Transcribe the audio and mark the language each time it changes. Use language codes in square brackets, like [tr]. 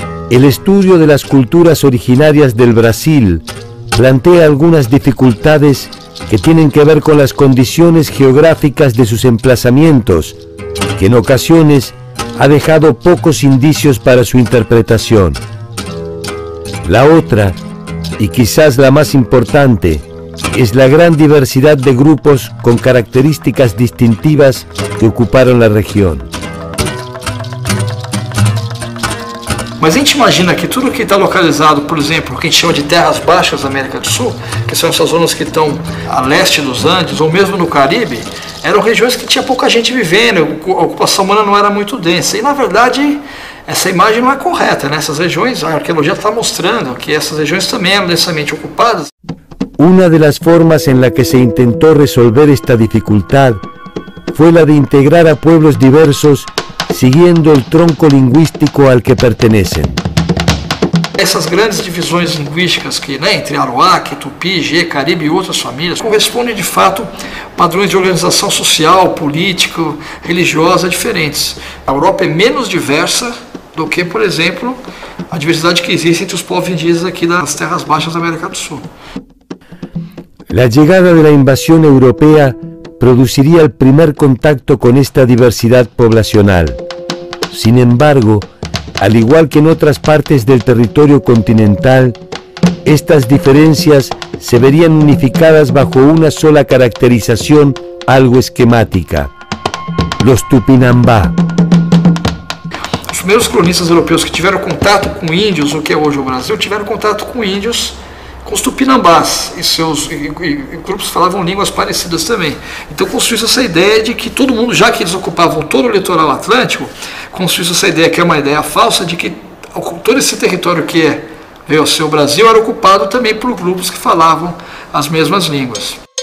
[es] El estudio de las culturas originarias del Brasil plantea algunas dificultades que tienen que ver con las condiciones geográficas de sus emplazamientos, que en ocasiones ha dejado pocos indicios para su interpretación. La otra, y quizás la más importante, es la gran diversidad de grupos con características distintivas que ocuparon la región. [pt] Mas a gente imagina que tudo que está localizado, por exemplo, o que a gente chama de terras baixas da América do Sul, que são essas zonas que estão a leste dos Andes, ou mesmo no Caribe, eram regiões que tinha pouca gente vivendo, a ocupação humana não era muito densa. E, na verdade, essa imagem não é correta, né? Essas regiões, a arqueologia está mostrando que essas regiões também eram densamente ocupadas. [es] Una de las formas en la que se intentó resolver esta dificultad fue la de integrar a pueblos diversos siguiendo el tronco lingüístico al que pertenecen. Esas grandes divisiones lingüísticas que, né, entre Arawak, Tupi, Jê, Caribe y otras familias corresponden [pt] de fato a padrões [es] de organización social, política, religiosa diferentes. A Europa es menos diversa [pt] do que, [es] por ejemplo, la diversidad que existe entre los pueblos indígenas aquí de las tierras bajas de América del Sur. La llegada de la invasión europea produciría el primer contacto con esta diversidad poblacional. Sin embargo, al igual que en otras partes del territorio continental, estas diferencias se verían unificadas bajo una sola caracterización algo esquemática: los Tupinambá. Los primeros colonistas europeos que tuvieron contacto con indios, lo que es hoy el Brasil, tuvieron contacto con indios. [pt] Com os tupinambás e grupos falavam línguas parecidas também. Então construiu-se essa ideia de que todo mundo, já que eles ocupavam todo o litoral atlântico, construiu-se essa ideia, que é uma ideia falsa, de que todo esse território que veio a ser o Brasil era ocupado também por grupos que falavam as mesmas línguas.